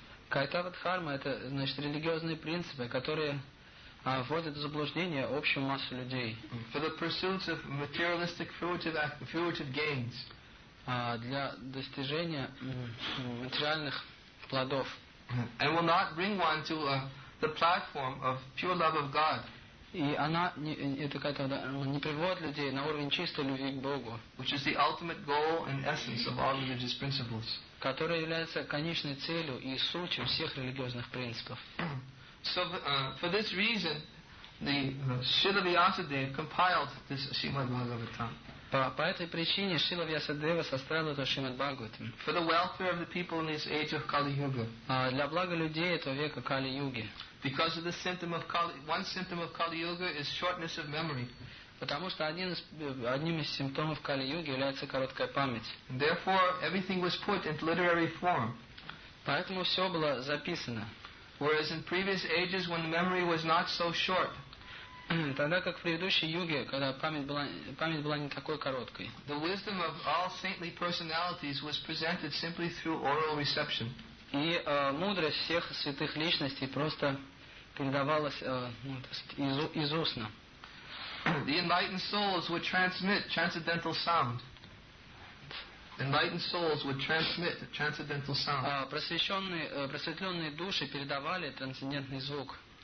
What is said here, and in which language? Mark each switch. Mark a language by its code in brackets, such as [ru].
[ru] Кайтава-дхарма — это, значит, религиозные принципы, которые вводят в заблуждение общую массу людей. [en] For the pursuits of materialistic fruitive gains. [ru] Для достижения материальных плодов. [en] And will not bring one to the platform of pure love of God. [ru] И она, эта кайтава-дхарма, не приводит людей на уровень чистой любви к Богу. [en] Which is the ultimate goal and essence of all religious principles. [ru] Которая является конечной целью и сутью всех религиозных принципов. [en] So for this reason, the Srila Vyasadeva compiled this Srimad Bhagavatam. [ru] По этой причине Шрила Вьясадева составил это Шримад Бхагаватам. [en] For the welfare of the people in this age of Kali Yuga. [ru] Для блага людей этого века Кали Юги. [en] Because of the symptom of Kali, one symptom of Kali Yuga is shortness of memory. [ru] Потому что одним из симптомов Кали-Юги является короткая память. [en] Therefore, everything was put into literary form. [ru] Поэтому все было записано. [en] Whereas in previous ages, when memory was not so short, [ru] тогда как в предыдущей юге, когда память была не такой короткой, [en] the wisdom of all saintly personalities was presented simply through oral reception. [ru] И мудрость всех святых личностей просто передавалась из устно. [en] The enlightened souls would transmit transcendental sound. Enlightened souls would transmit transcendental sound. [ru] Просветленные души передавали трансцендентный звук.